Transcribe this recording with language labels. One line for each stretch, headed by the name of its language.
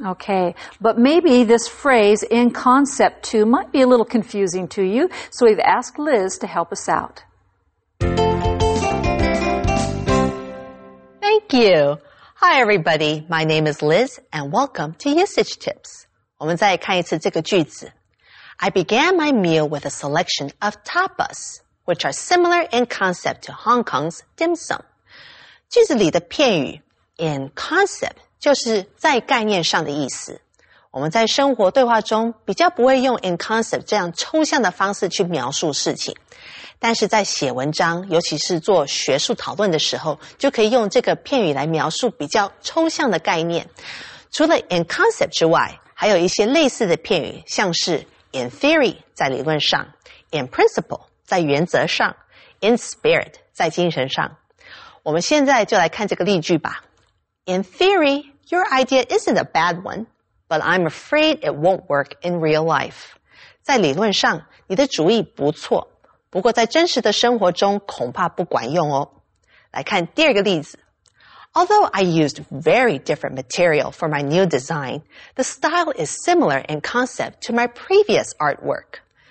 English: Okay, but maybe this phrase in concept too might be a little confusing to you, so we've asked Liz to help us out. Thank you. Hi, everybody. My name is Liz, and welcome to Usage Tips.
Chinese: 我们再看一次这个句子.
English: I began my meal with a selection of tapas, which are similar in concept to Hong Kong's dim sum.
Chinese: 句子里的片语 in concept 就是在概念上的意思。我们在生活对话中比较不会用 in concept 这样抽象的方式去描述事情。但是在写文章，尤其是做学术讨论的时候，就可以用这个片语来描述比较抽象的概念。除了 in concept 之外，还有一些类似的片语，像是 in theory 在理论上， in principle 在原则上， in spirit 在精神上。我们现在就来看这个例句吧。
English: In theory, your idea isn't a bad one, but I'm afraid it won't work in real life.
Chinese: 在理论上，你的主意不错，不过在真实的生活中恐怕不管用哦。来看第二个例子。
English: Although I used very different material for my new design, the style is similar in concept to my previous artwork.